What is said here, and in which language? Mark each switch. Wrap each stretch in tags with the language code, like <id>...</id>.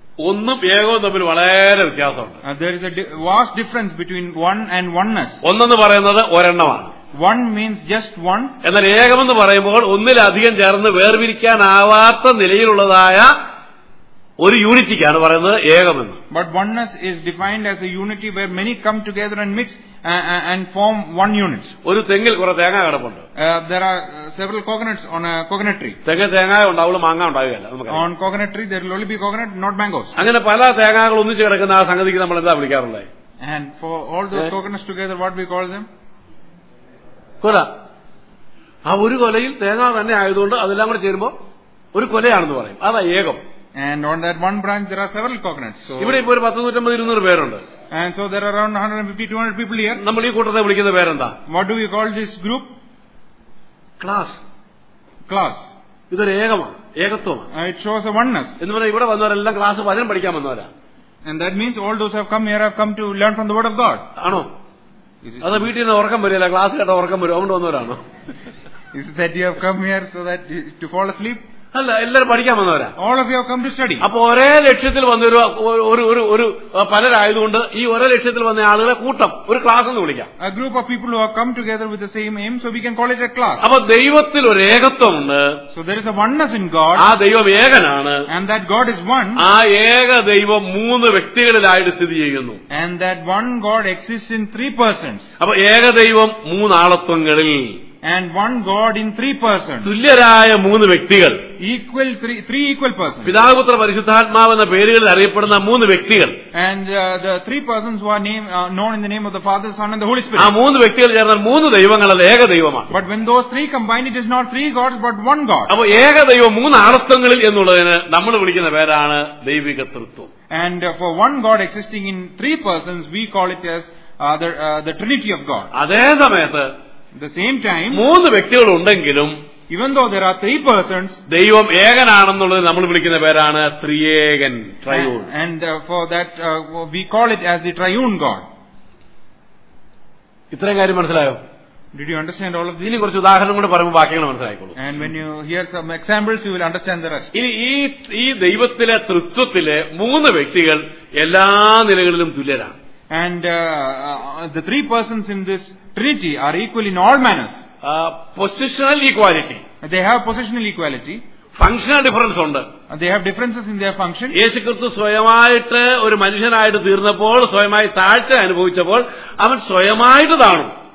<ml>ഒന്നും ഏകവും തമ്മിൽ വളരെ വ്യത്യാസമുണ്ട്.</ml> <en>There is a vast difference between one and oneness.</en> <ml>ഒന്നെന്ന് പറയുന്നത് ഒരെണ്ണമാണ്.</ml> <en>One means just one.</en> <ml>എന്നാൽ ഏകമെന്ന് പറയുമ്പോൾ ഒന്നിലധികം ചേർന്ന് വേർപിരിക്കാനാവാത്ത നിലയിലുള്ളതായ ഒരു യൂണിറ്റിക്കാണ് പറയുന്നത് ഏകമെന്ന്.</ml> <en>But oneness is defined as a unity where many come together and mix and form one unit.</en> <ml>ഒരു തെങ്ങിൽ കുറെ തേങ്ങ കിടപ്പുണ്ട്.</ml> <en>There are several coconuts on a coconut tree.</en> <ml>തെങ്ങ് തേങ്ങായ ഉണ്ടാവുള്ള മാങ്ങ ഉണ്ടാവുകയല്ല.</ml> <en>On coconut tree there will only be coconut, not mangoes.</en> <ml>അങ്ങനെ പല തേങ്ങകൾ ഒന്നിച്ച് കിടക്കുന്ന ആ സംഗതിക്ക് നമ്മൾ എന്താ വിളിക്കാറുള്ളത്?</ml> <en>And for all those coconuts together, what we call them?</en> <ml>കൊല. ആ ഒരു കൊലയിൽ തേങ്ങ തന്നെ ആയതുകൊണ്ട് അതെല്ലാം കൂടെ ചേരുമ്പോൾ ഒരു കൊലയാണെന്ന് പറയും. അതാ ഏകം.</ml> <en>And on that one branch there are several coconuts. So</en> <ml>ഇവിടെ ഇപ്പോൾ 150-200 പേരുണ്ട്.</ml> <en>And so there are around 150-200 people here.</en> <ml>നമ്മൾ ഈ കൂട്ടത്തെ വിളിക്കുന്ന പേരെന്താ?</ml> <en>What do we call this group? Class. Class.</en> <ml>ഇതൊരു ഏകമാണ്, ഏകത്വമാണ്.</ml> <en>It shows a oneness.</en> <ml>എന്ന് പറഞ്ഞാൽ ഇവിടെ വന്നവരെല്ലാം ക്ലാസ് വചനം പഠിക്കാൻ വന്നവരാ.</ml> <en>And that means all those have come here have come to learn from the word of God.</en> <ml>ആണോ? അത് വീട്ടിൽ നിന്ന് ഉറക്കം വരില്ല, ക്ലാസ് കേട്ട ഉറക്കം വരും, അതുകൊണ്ട് വന്നവരാണോ?</ml> <en>Is it that you have come here so that to fall asleep?</en> <ml>അല്ല, എല്ലാവരും പഠിക്കാൻ വന്നവരാ.</ml> <en>All of you have come to study.</en> <ml>അപ്പോൾ ഒരേ ലക്ഷ്യത്തിൽ വന്നൊരു ഒരു ഒരു പലരായതുകൊണ്ട് ഈ ഒരേ ലക്ഷ്യത്തിൽ വന്ന ആളുകളെ കൂട്ടം, ഒരു ക്ലാസ് എന്ന് വിളിക്കാം.</ml> <en>A group of people who have come together with the same aim, so we can call it a class.</en> <ml>അപ്പോൾ ദൈവത്തിൽ ഒരു ഏകത്വമുണ്ട്.</ml> <en>So there is a oneness in God.</en> <ml>ആ ദൈവം ഏകനാണ്.</ml> <en>And that God is one.</en> <ml>ആ ഏക ദൈവം മൂന്ന് വ്യക്തികളിലായിട്ട് സ്ഥിതി ചെയ്യുന്നു.</ml> <en>And that one God exist in three persons.</en> <ml>അപ്പോൾ ഏക ദൈവം മൂന്നാളത്വങ്ങളിൽ.</ml> <en>And one God in three persons.</en> <ml>തുല്യരായ മൂന്ന് വ്യക്തികൾ.</ml> <en>Equal three equal persons.</en> <ml>പിതാവ് പുത്രൻ പരിശുദ്ധാത്മാവ് എന്ന പേരുകളിൽ അറിയപ്പെടുന്ന മൂന്ന് വ്യക്തികൾ.</ml> <en>And the three persons who are known in the name of the Father, Son and the Holy Spirit.</en> <ml>ആ മൂന്ന് വ്യക്തികൾ ചേർന്നാൽ മൂന്ന് ദൈവങ്ങളെ ഏക ദൈവമാണ്.</ml> <en>But when those three combine, it is not three gods but one God.</en> <ml>അപ്പോൾ ഏക ദൈവം മൂന്ന് ആർത്തങ്ങളിൽ എന്നുള്ളതിനെ നമ്മൾ വിളിക്കുന്ന പേരാണ് ദൈവിക ത്രിത്വം.</ml> <en>And for one God existing in three persons, we call it as the Trinity of God.</en> <ml>അതേ സമയത്ത്</ml> <en>the same time</en> <ml>മൂന്ന് വ്യക്തികൾ ഉണ്ടെങ്കിലും</ml> <en>even though there are three persons</en> <ml>ദൈവം ഏകനാണെന്നുള്ളത് നമ്മൾ വിളിക്കുന്ന പേരാണ് ത്രിയേകൻ, triune.</ml> <en>And for that we call it as the triune God.</en> <ml>ഇത്രയും കാര്യം മനസ്സിലായോ?</ml> <en>Did you understand all of this?</en> <ml>ഇനി കുറച്ച് ഉദാഹരണം കൂടി പറയുമ്പോൾ ബാക്കിയുള്ള മനസ്സിലായിക്കോളൂ.</ml> <en>And when you hear some examples you will understand the rest.</en> <ml>ഇനി ഈ ദൈവത്തിലെ ത്രിത്വത്തിലെ മൂന്ന് വ്യക്തികൾ എല്ലാ നിലകളിലും തുല്യരാണ്.</ml> <en>And the three persons in this Trinity are equal in all manners. Positional equality. They have positional equality. Functional difference</en> <ml>ഉണ്ട്.</ml> <en>They have differences in their function.</en> <ml>യേശു ക്രിസ്തു സ്വയമായിട്ട് ഒരു മനുഷ്യനായിട്ട് തീർന്നപ്പോൾ, സ്വയമായി താഴ്ച അനുഭവിച്ചപ്പോൾ അവൻ സ്വയമായിട്ട് താണു.</ml>